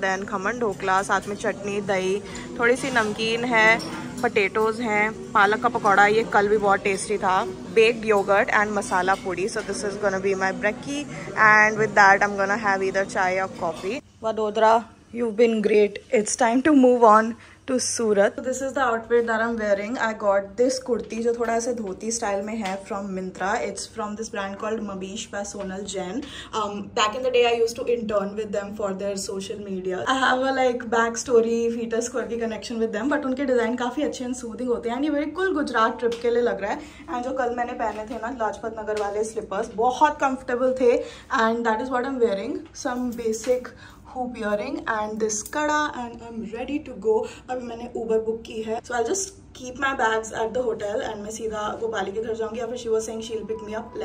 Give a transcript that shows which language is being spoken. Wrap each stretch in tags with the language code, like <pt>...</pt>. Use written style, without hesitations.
<hi>Then khaman dhokla, साथ में चटनी, दही, थोड़ी सी नमकीन है, पोटेटोज़ हैं, पालक का पकौड़ा, ये कल भी बहुत टेस्टी था, baked yogurt and masala puri.</hi> <en>So this is gonna be my brekkie and with that I am gonna have either chai और coffee. Vadodara, you been great, it's time to move on to Surat. So this is the outfit that I'm wearing. I got this kurti जो थोड़ा ऐसे धोती style में है from Myntra. It's from this brand called Mabish by Sonal Jain. Back in the day I used to intern with them for their social media. I have a like back story, fetus quirky connection with them.</en> <hi>But उनके design काफ़ी अच्छे and soothing होते हैं and ये मेरे कुल Gujarat trip के लिए लग रहा है। And जो कल मैंने पहने थे ना लाजपत नगर वाले slippers, बहुत comfortable थे and that is what I'm wearing.</hi> <en>Some basic hoop earring and this kada and I'm ready to go.</en> <hi>अब मैंने Uber book की है, so I'll just keep my bags at the hotel and मैं सीधा गोपाली के घर जाऊंगी।</hi> <en>या फिर she was saying she'll pick me up.</en>